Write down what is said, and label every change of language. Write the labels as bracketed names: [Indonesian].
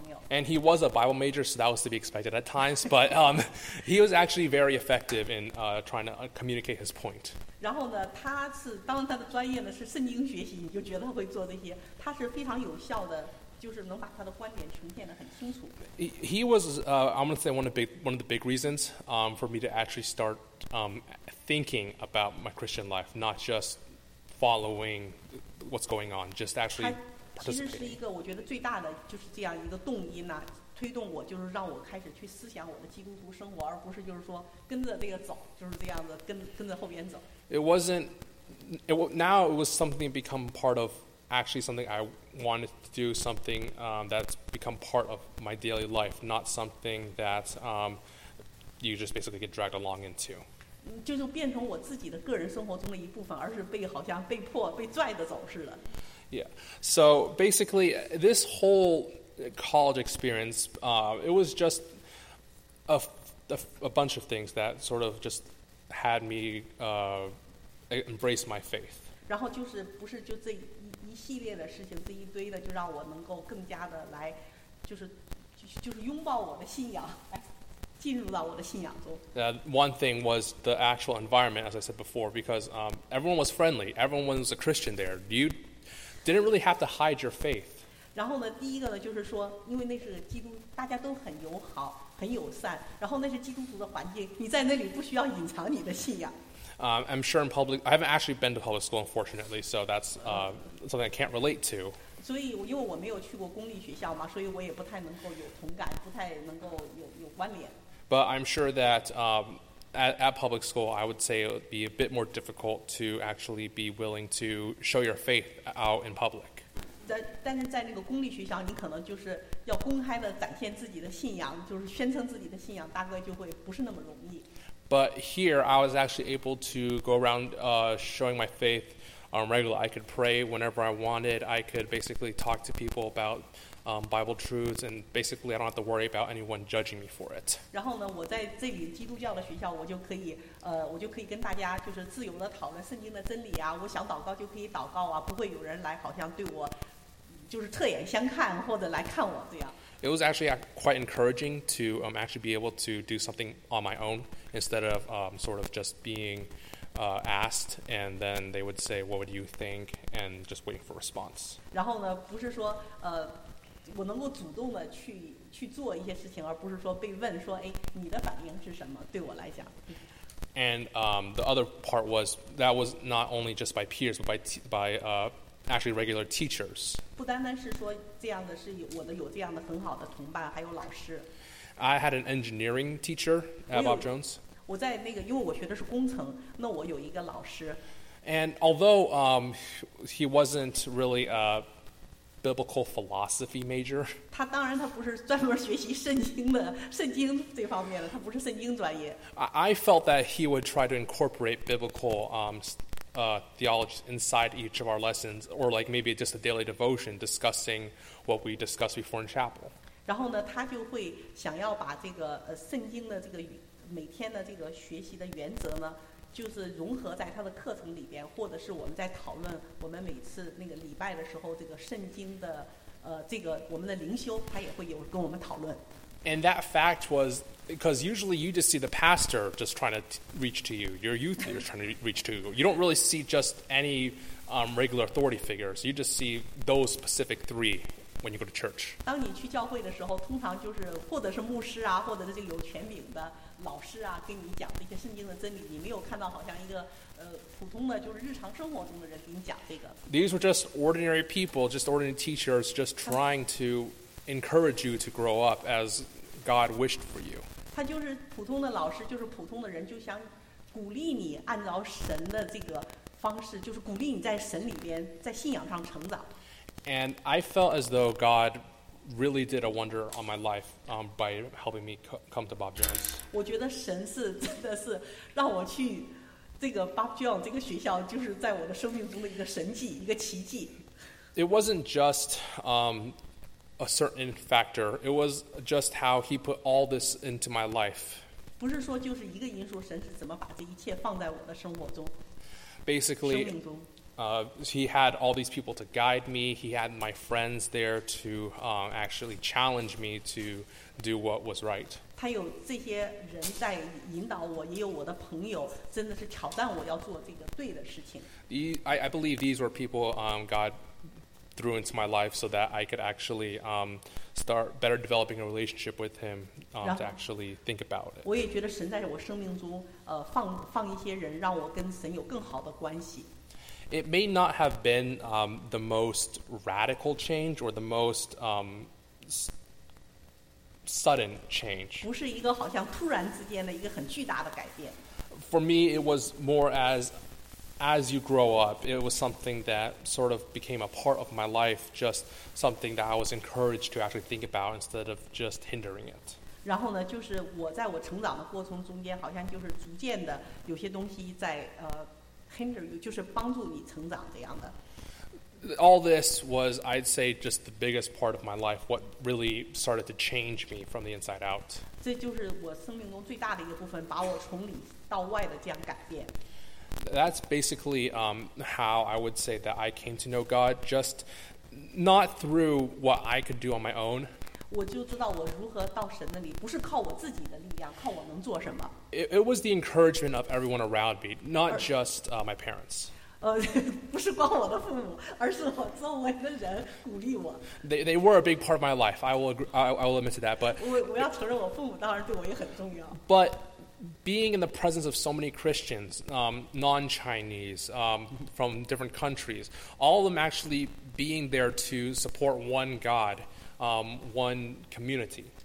[English] And he was a Bible major, so that was to be expected at times, but he was actually very effective in trying to communicate his point. [Chinese] 然后呢，他是当然他的专业呢是圣经学习，你就觉得他会做这些，他是非常有效的，就是能把他的观点呈现得很清楚。 [English] He was, I'm going to say, one of the big reasons for me to actually start thinking about my Christian life, not just following what's going on, just actually... [Chinese] 其实是一个我觉得最大的就是这样一个动因呢、啊，推动我就是让我开始去思想我的基督徒生活，而不是就是说跟着这个走，就是这样子跟着后边走。 [English] It was something become part of actually something I wanted to do, something that's become part of my daily life, not something that you just basically get dragged along into. [Chinese] 就是变成我自己的个人生活中的一部分，而是被好像被迫被拽着走似的。 [English] Yeah. So basically, this whole college experience, it was just a bunch of things that sort of just had me embrace my faith. [Chinese] 然后就是不是就这一系列的事情，这一堆的，就让我能够更加的来，就是拥抱我的信仰，来进入到我的信仰中。 [English] One thing was the actual environment, as I said before, because everyone was friendly. Everyone was a Christian there. Didn't really have to hide your faith. [Chinese] 然后呢，第一个呢，就是说，因为那是基督，大家都很友好，很友善。然后那是基督徒的环境，你在那里不需要隐藏你的信仰。 [English] I'm sure in public, I haven't actually been to public school, unfortunately, so that's something I can't relate to. [Chinese] 所以，因为我没有去过公立学校嘛，所以我也不太能够有同感，不太能够有关联。 [English] But I'm sure that at public school, I would say it would be a bit more difficult to actually be willing to show your faith out in public. [Chinese] 但是在那个公立学校，你可能就是要公开的展现自己的信仰，就是宣称自己的信仰，大概就会不是那么容易。 [English] But here, I was actually able to go around showing my faith on regular. I could pray whenever I wanted. I could basically talk to people about Bible truths, and basically I don't have to worry about anyone judging me for it. [Chinese] 然后呢，我在这里基督教的学校，我就可以，我就可以跟大家就是自由的讨论圣经的真理啊，我想祷告就可以祷告啊，不会有人来好像对我就是侧眼相看或者来看我这样。 [English] It was actually quite encouraging to actually be able to do something on my own instead of sort of just being asked, and then they would say, "What would you think?" and just waiting for response. [Chinese] 然后呢，不是说我能够主动的去做一些事情，而不是说被问说，哎，你的反应是什么？对我来讲。 [English] And the other part was that was not only just by peers, but by actually regular teachers. [Chinese] 不单单是说这样的是我的有这样的很好的同伴，还有老师。 [English] I had an engineering teacher at Bob Jones. [Chinese] 我在那个，因为我学的是工程，那我有一个老师。 [English] And although he wasn't really a biblical philosophy major. [Chinese] 他当然他不是专门学习圣经这方面的，他不是圣经专业。 [English] I felt that he would try to incorporate biblical theology inside each of our lessons, or like maybe just a daily devotion discussing what we discussed before in chapel. [Chinese] 然后呢，他就会想要把这个圣经的这个每天的这个学习的原则呢，就是融合在他的课程里边，或者是我们在讨论我们每次那个礼拜的时候，这个圣经的这个我们的灵修，他也会有跟我们讨论。 [English] And that fact was because usually you just see the pastor just trying to reach to you, your youth leader trying to reach to you. You don't really see just any regular authority figures. You just see those specific three. When you go to church, [Chinese] 当你去教会的时候，通常就是或者是牧师啊，或者是这个有权柄的老师啊，跟你讲这些圣经的真理。你没有看到好像一个普通的就是日常生活中的人给你讲这个。 [English] These were just ordinary people, just ordinary teachers, just trying to encourage you to grow up as God wished for you. [Chinese] 他就是普通的老师，就是普通的人，就想鼓励你按照神的这个方式，就是鼓励你在神里边，在信仰上成长。 [English] And I felt as though God really did a wonder on my life by helping me come to Bob Jones. [Chinese] 我觉得神是真的是让我去这个 Bob Jones 这个学校，就是在我的生命中的一个神迹，一个奇迹。 [English] It wasn't just a certain factor. It was just how he put all this into my life. [Chinese] 不是说就是一个因素，神是怎么把这一切放在我的生活中。 [English] Basically, he had all these people to guide me. He had my friends there to actually challenge me to do what was right. [Chinese] 他有这些人在引导我，也有我的朋友，真的是挑战我要做这个对的事情。 [English] I believe these were people God threw into my life so that I could actually start better developing a relationship with him to actually think about it. [Chinese] 我也觉得神在我生命中放一些人，让我跟神有更好的关系。 [English] It may not have been the most radical change or the most sudden change. [Chinese] 不是一个好像突然之间的一个很巨大的改变。 [English] For me, it was more as you grow up, it was something that sort of became a part of my life, just something that I was encouraged to actually think about instead of just hindering it. [Chinese] 然后呢，就是我在我成长的过程中间，好像就是逐渐的有些东西在 [English] hinder you, [Chinese] 就是帮助你成长这样的。 [English] All this was, I'd say, just the biggest part of my life, what really started to change me from the inside out. [Chinese] 这就是我生命中最大的一个部分，把我从里到外的这样改变。 [English] That's basically how I would say that I came to know God, just not through what I could do on my own. [Chinese] 我就知道我如何到神那里，不是靠我自己的力量，靠我能做什么。 [English] It was the encouragement of everyone around me, not just my parents. [Chinese] 不是光我的父母，而是我周围的人鼓励我。 [English] They were a big part of my life. I will admit to that. But [Chinese] 我要承认，我父母当然对我也很重要。 [English] But being in the presence of so many Christians, non-Chinese, from different countries, all of them actually being there to support one God, one community.